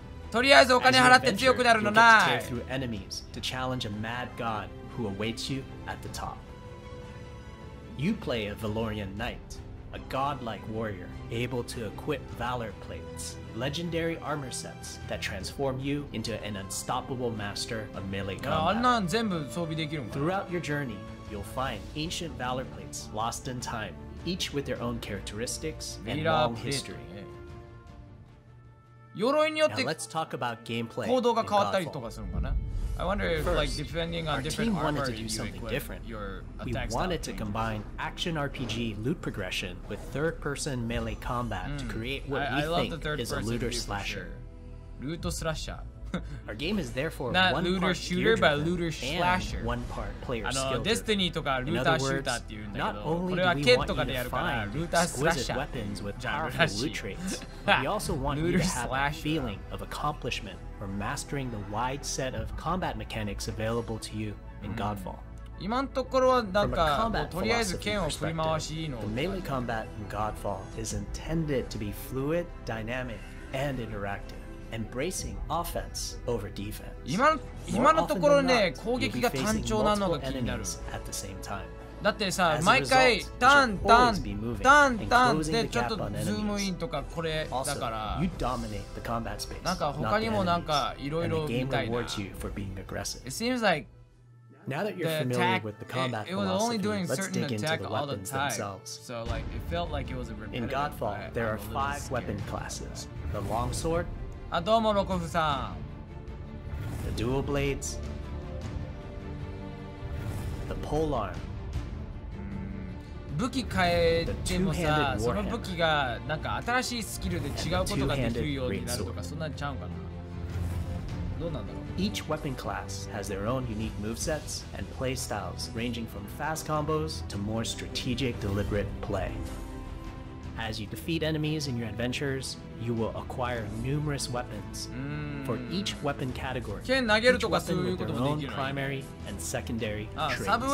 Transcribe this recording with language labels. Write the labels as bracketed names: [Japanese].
[Japanese] とりあえずお金払って強くなるのな。 [English] Tear through enemies to challenge a mad god who awaits you at the top. You play a Valorian knight, a godlike warrior able to equip valor plates, legendary armor sets that transform you into an unstoppable master of melee combat. [Japanese] あんなん全部装備できるんか。 [English] Throughout your journey, you'll find ancient valor plates lost in time, each with their own characteristics and long history. [Japanese] 鎧によって行動が変わったりとかするのかな。 [English] I wonder if like depending on different armor, you equip your attack style. We wanted to combine action RPG loot progression with third-person melee combat to create what we think is a looter slasher. Loot slasher. Our game is therefore one part looter shooter but looter slasher. One part player skill. [Japanese] Destiny とかルーターシューターっていうんだけど、これは剣とかでやるからルータースラッシャー。 [English] Weapons with powerful loot traits. We also want you to have a feeling of accomplishment for mastering the wide set of combat mechanics available to you in Godfall. [Japanese] 今のところはなんかとりあえず剣を振り回しいいの。 [English] The melee combat in Godfall is intended to be fluid, dynamic, and interactive. Embracing offense over defense. [Japanese] 今のところね、攻撃が単調なのが気になる。だってさ、毎回ターンターンターンターンでちょっとズームインとかこれだから、なんか他にもなんかいろいろみたいな。 [English] It seems like Now that you're familiar with the combat philosophy, let's dig into the weapons themselves. So like it felt like it was a repetitive. In Godfall, there are five weapon classes: the longsword. [Japanese] あ、どうも、ロコフさん。 [English] The dual blades. The pole arm. [Japanese] 武器変えてもさ、その武器がなんか新しいスキルで違うことができるようになるとか、そんなにちゃうかな。どうなんだろう。 [English] Each weapon class has their own unique movesets and playstyles, ranging from fast combos to more strategic, deliberate play. As you defeat enemies in your adventures, you will acquire numerous weapons. For each weapon category, each weapon with their own primary and secondary traits.